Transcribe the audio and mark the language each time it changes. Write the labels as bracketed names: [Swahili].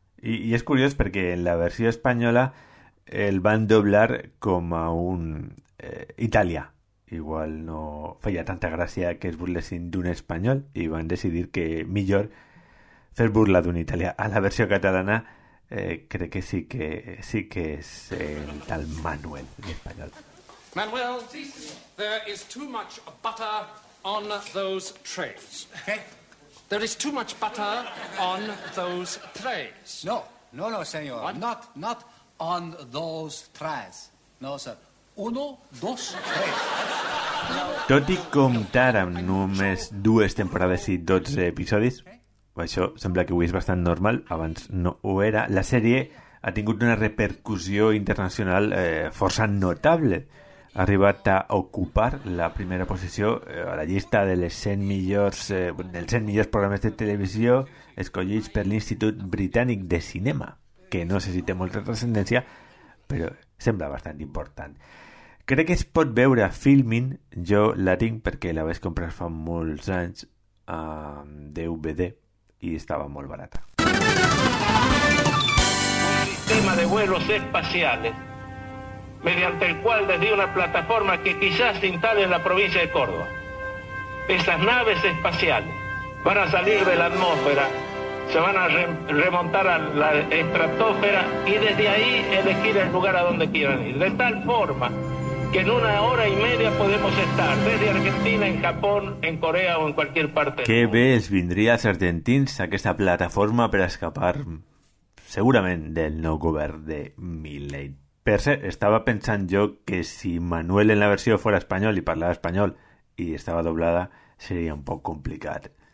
[Catalan] I és curiós perquè en la versió espanyola el van doblar com a un italià. Igual no feia tanta gràcia que es burlessin d'un espanyol i van decidir que millor fer burla d'un italià. A la versió catalana crec que sí que és el tal Manuel, l'espanyol. [English] Manuel, there is too much butter on those trays. There is too much butter on those trays. [Spanish] No, no, no, señor. [English] What? Not on those trays. No, sir. [Spanish] Uno, dos, tres. [Catalan] Tot i comptar amb només dues temporades i 12 episodis, això sembla que avui és bastant normal, abans no ho era, la sèrie ha tingut una repercussió internacional força notable. Ha arribat a ocupar la primera posició a la llista de les 100 millors, dels 100 millors programes de televisió escollits per l'Institut Britànic de Cinema, que no sé si té molta transcendència, però sembla bastant important. Crec que es pot veure a Filmin, jo la tinc perquè la vaig comprar fa molts anys a DVD i estava molt barata. [Spanish] Sistema de vuelos espaciales mediante el cual desde una plataforma que quizás se instale en la provincia de Córdoba. Esas naves espaciales van a salir de la atmósfera, se van a remontar a la estratosfera y desde ahí elegir el lugar a donde quieran ir. De tal forma que en una hora y media podemos estar desde Argentina, en Japón, en Corea o en cualquier parte. [Catalan] Qué ves vindría els argentins a aquesta plataforma per escapar segurament del nou govern de Milei. Per cert, estava pensant jo que si Manuel en la versió fora espanyol i parlava espanyol i estava doblada, seria un poc complicat.